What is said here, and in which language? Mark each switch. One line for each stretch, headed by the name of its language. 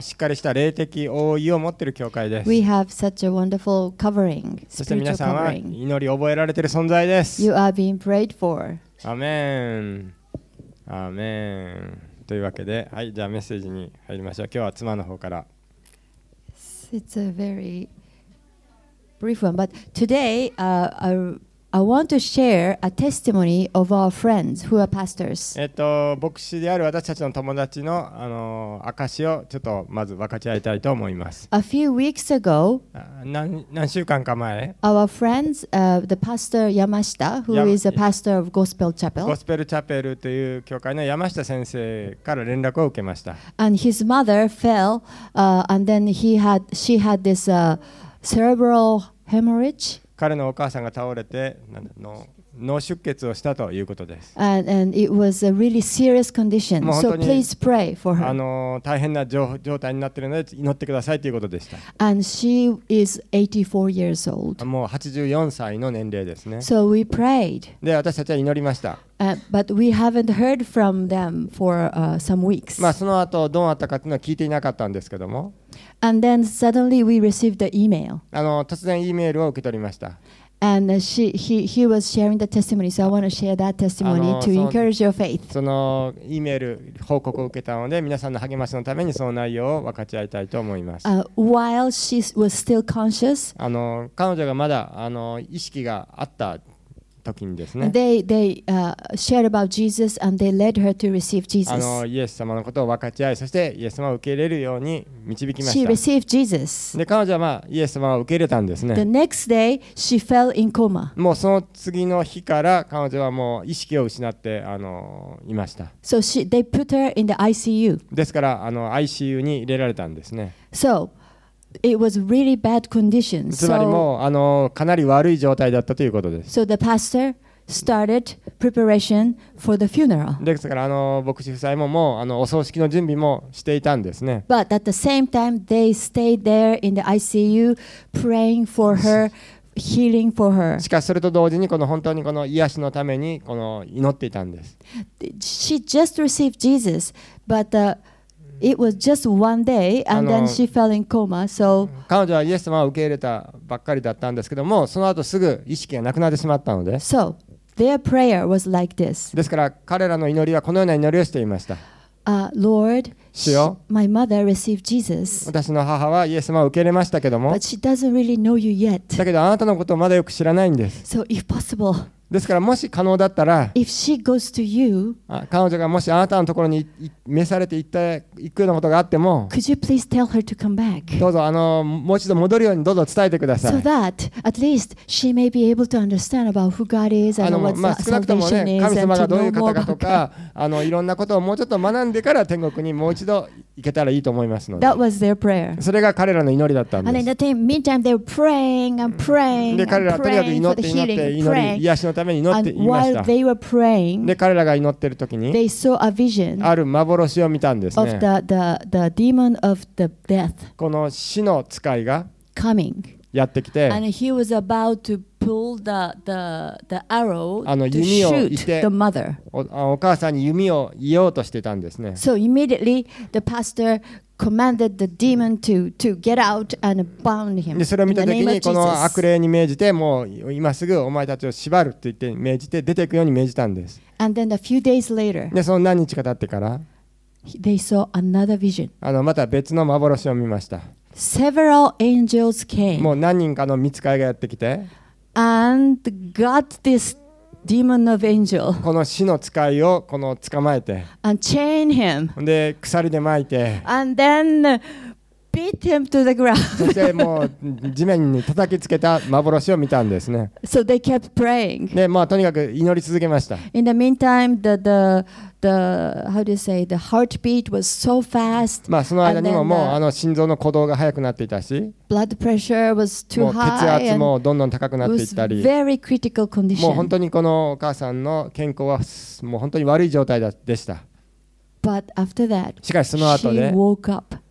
Japanese: しっかりした霊的覆いを持っている教会です。
English: We have such a wonderful covering, spiritual covering.
Japanese: そして皆さんは祈り覚えられている存在です。
English: You are being prayed for.
Japanese: アメン。アメン。というわけで、はい、じゃあメッセージに入りましょう。今日は妻の方から。
English: It's a very brief one, but today I want to share a testimony of our friends who are pastors.
Japanese: 牧師である私たちの友達の証をちょっとまず分かち合いたいと思います。
English: A few weeks ago,
Japanese: 何週間か前、
English: our friends, the pastor Yamashita, who is a pastor of Gospel Chapel,
Japanese: Gospel Chapel という教会の山下先生から連絡を受けました。
English: And his mother fell, and then she had this cerebral hemorrhage.
Japanese: 彼のお母さんが倒れて脳出血をしたということです。
English: And it was a really serious condition. So please pray for her.
Japanese: 大変な状態になっているので祈ってくださいということでした。
English: And she is 84 years old.
Japanese: もう84歳の年齢ですね。
English: So we prayed.
Japanese: で、私たちは祈りました。
English: But we haven't heard from them for some weeks.
Japanese: まあその後どうなったかというのは聞いていなかったんですけども。
English: And then suddenly we received the email.
Japanese: 突然 E メールを受け取りました。
English: And he was sharing the testimony, so I want to share that testimony to encourage your faith.
Japanese: その E メール報告を受けたので、皆さんの励ましのためにその内容を分かち合いたいと思います。
English: While she was still conscious,
Japanese: 彼女がまだ意識があった時にですね。
English: They shared about Jesus and they led her to receive Jesus.
Japanese: イエス様のことを分かち合い、そしてイエス様を受け入れるように導きました。
English: She received Jesus.
Japanese: で、彼女はイエス様を受け入れたんですね。
English: The next day, she fell in coma.
Japanese: もうその次の日から彼女はもう意識を失っていました。
English: So they put her in the ICU.
Japanese: ですから、ICU に入れられたんですね。
English: So,It was really bad condition.
Japanese: つまりもうかなり悪い状態だったということです。
English: So the pastor started preparation for the funeral.
Japanese: ですから牧師夫妻ももうお葬式の準備もしていたんですね。
English: But at the same time, they stayed there in the ICU praying for her, healing for her.
Japanese: しかしそれと同時に本当に癒しのために祈っていたんです。
English: She just received Jesus, but It was just one day, and then she fell in coma. So,
Japanese: 彼女はイエス様を受け入れたばっかりだったんですけども、その後すぐ意識がなくなってしまったので、
English: So, their prayer was like this.
Japanese: ですから彼らの祈りはこのような祈りをしていました。
English: Lord,
Japanese: 主よ、
English: my mother received Jesus.
Japanese: 私の母はイエス様を受け入れましたけども、
English: But she doesn't really know you yet.
Japanese: だけどあなたのことをまだよく知らないんです。
English: So, if possible.
Japanese: ですからもし可能だったら
English: you,
Japanese: 彼女がもしあなたのところに召されて行くようなことがあっても、どうぞもう一度戻るようにどうぞ伝えてください。
English: So that at least she may be able to understand about who God is and what salvation is and to know more about God.
Japanese: 少なくともね、神様がどういう方かとかいろんなことをもうちょっと学んでから天国にもう一度行けたらいいと思いますので。
English: That was their prayer.
Japanese: それが彼らの祈りだったんです。
English: And in the meantime they were praying and praying and praying for the healing, praying.
Japanese: のために祈っていました。
English: Praying,
Japanese: で、彼らが祈っているときに、ある幻を見たんですね。
English: The death,
Japanese: この死の使いがやってきて、
English: and he was about to pull the arrow to shoot the mother.
Japanese: お母さんに弓を射ようとしてたんですね。
English: So immediately the pastor commanded the demon to get out and bound him.
Japanese: で、それを見たときにこの悪霊に命じて、もう今すぐお前たちを縛ると言って命じて出ていくように命じたんです。
English: And then a few days later.
Japanese: で、その何日か経ってから、
English: they saw another vision.
Japanese: また別の幻を見ました。
English: Several angels came.
Japanese: もう何人かの御使いがやってきて、
English: and got this demon of angel.
Japanese: この死の使いを捕まえて、
English: and chain him.
Japanese: で鎖で巻いて、
English: and then beat him to the ground.
Japanese: そしてもう地面に叩きつけた幻を見たんですね。
English: So they kept praying.
Japanese: で、まあとにかく祈り続けました。
English: In the meantime, the how do you say the heartbeat was so fast.
Japanese: まあその間にももう心臓の鼓動が速くなっていたし、
English: blood pressure was too high.
Japanese: 血圧もどんどん高くなっていったり、
English: very critical condition.
Japanese: もう本当にこのお母さんの健康はもう本当に悪い状態でした。
English: But after that,
Japanese: しかしその後で、
English: she woke up.